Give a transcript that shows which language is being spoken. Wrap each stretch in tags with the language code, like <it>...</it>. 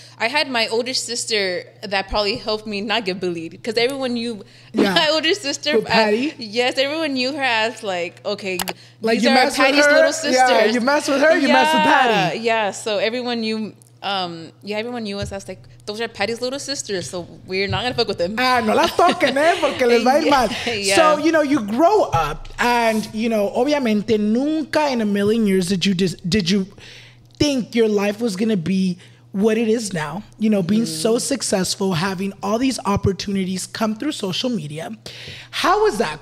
<en>I had my older sister that probably helped me not get bullied, because everyone knew my older sister. Patty? Everyone knew her as like, okay, like, these you are mess Patty's with her? Little sisters. Yeah, you mess with her, you mess with Patty. Yeah, so everyone knew, everyone knew us as like, those are Patty's little sisters, so we're not gonna fuck with them.</en> <es>Ah, no las toquen, porque les va a ir mal.</es> <en>So, you know, you grow up, and, you know,</en> <es>obviamente, nunca</es> <en>in a million years did you think your life was gonna be what it is now, you know, being so successful, having all these opportunities come through social media. How was that?</en>